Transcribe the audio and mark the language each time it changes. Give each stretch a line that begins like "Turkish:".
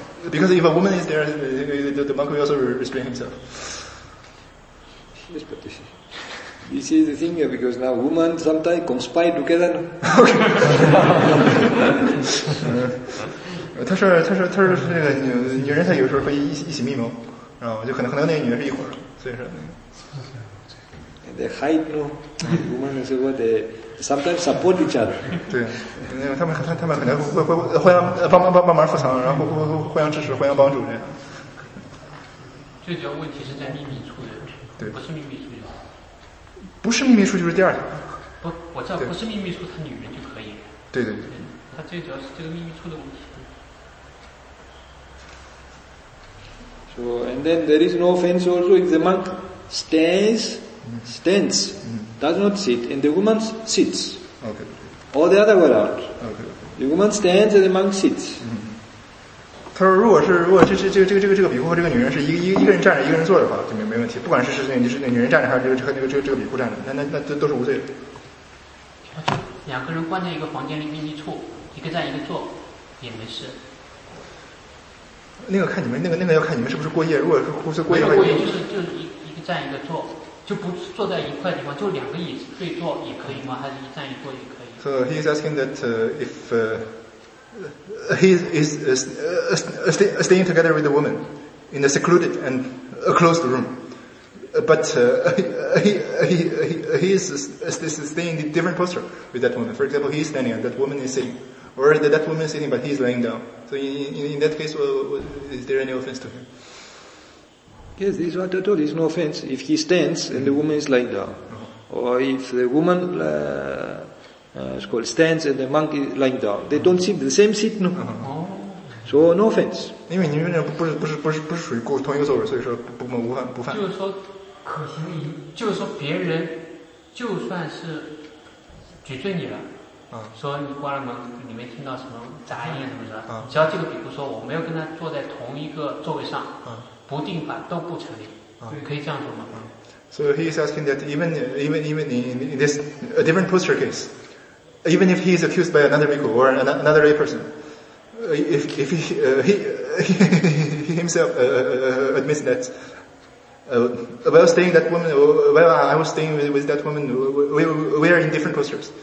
English: Because if a woman is there, the monk will also restrain himself. Yes, but you see the thing here, because now women sometimes conspire together. Okay.
Chinese: 他说这个女人她有时候会一起密谋，然后就可能那个女人是一伙的，所以说。
English: They hide, no? Women is what they sometimes support each other.
Chinese: 对，他们可能会互相帮忙扶藏，然后互相支持、互相帮助这样。最主要问题是在秘密处的，对，不是秘密处。不是秘密处就是第二条。不，我知道不是秘密处，他女人就可以。对对对。他最主要是这个秘密处的问题。
English: So and then there is no offense also if the monk stands, does not sit, and the woman sits. Okay. Or the other way around. Okay. The woman stands and the monk sits.
Chinese: 他说如果这个比库和这个女人是一个人站着一个人坐的话，就没问题，不管是那女人站着还是这个比库站着，那这都是无罪的。两个人关在一个房间里秘密处，一个站一个坐也没事。那个看你们那个要看你们是不是过夜，如果是过夜的话，过夜就是一个站一个坐，就不坐在一块地方，就两个椅子对坐也可以吗？还是一站一坐也可以？
English: So he is asking that if he is staying together with the woman in a secluded and a closed room, but he is staying in a different posture with that woman. For example, he is standing and that woman is sitting, or that woman is sitting but he is laying down. So in that case, is there any offense to him? Yeah, Yes, this one at all is no offense. If he stands and the woman is lying down, or if the woman it's called stands and the monk is lying down, they don't sit the same seat, no. So no offense.
Chinese: 因为您这样不是属于过同一个座位，所以说不犯。就是说可行于，就是说别人就算是举罪你了，说你关了门，你没听到什么杂音什么的，只要这个比如说我没有跟他坐在同一个座位上，不定法都不成立，可以这样说吗？
English: So he is asking that even in this a different posture case, even if he is accused by another bhikkhu or another lay person, if he himself admits that while I was staying with that woman, we are in different postures.